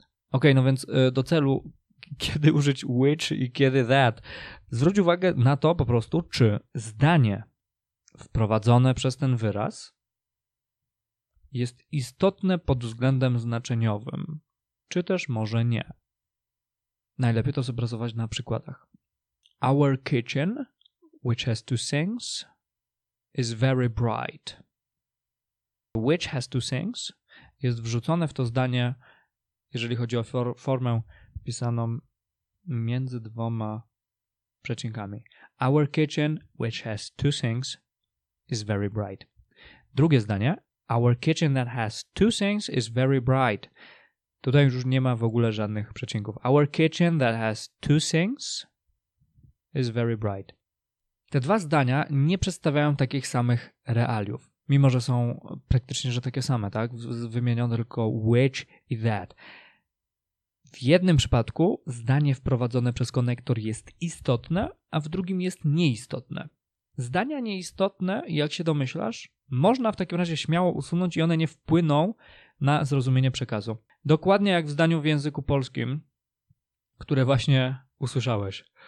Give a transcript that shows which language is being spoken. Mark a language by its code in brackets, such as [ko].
[pl] Okej, no więc do celu, kiedy użyć which i kiedy that? Zwróć uwagę na to po prostu, czy zdanie wprowadzone przez ten wyraz jest istotne pod względem znaczeniowym, czy też może nie. Najlepiej to zobrazować na przykładach. [en] Our kitchen, which has two sinks, is very bright. Which has two sinks [pl] jest wrzucone w to zdanie, jeżeli chodzi o formę pisaną między dwoma przecinkami. [en] Our kitchen, which has two sinks, is very bright. [pl] Drugie zdanie. [en] Our kitchen that has two sinks is very bright. [pl] Tutaj już nie ma w ogóle żadnych przecinków. [en] Our kitchen that has two sinks is very bright. [pl] Te dwa zdania nie przedstawiają takich samych realiów, mimo że są praktycznie, że takie same, tak? Wymienione tylko which i that. W jednym przypadku zdanie wprowadzone przez konektor jest istotne, a w drugim jest nieistotne. Zdania nieistotne, jak się domyślasz, można w takim razie śmiało usunąć i one nie wpłyną na zrozumienie przekazu. Dokładnie jak w zdaniu w języku polskim, które właśnie usłyszałeś.